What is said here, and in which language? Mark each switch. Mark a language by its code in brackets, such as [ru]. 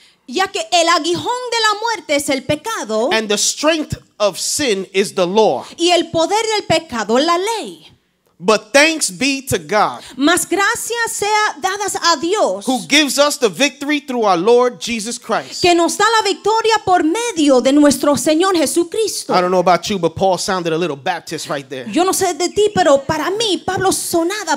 [es] Ya que el aguijón de la muerte es el pecado. [en] And the strength of sin is the law. [es] Y el poder del pecado, la ley. [en] But thanks be to God. [es] Mas gracias sea dadas a Dios. [en] Who gives us the victory through our Lord Jesus Christ. [es] Que nos da la victoria por medio de nuestro Señor Jesucristo. [en] I don't know about you, but Paul sounded a little Baptist right there. [es] Yo no sé de ti, pero para mí, Pablo sonaba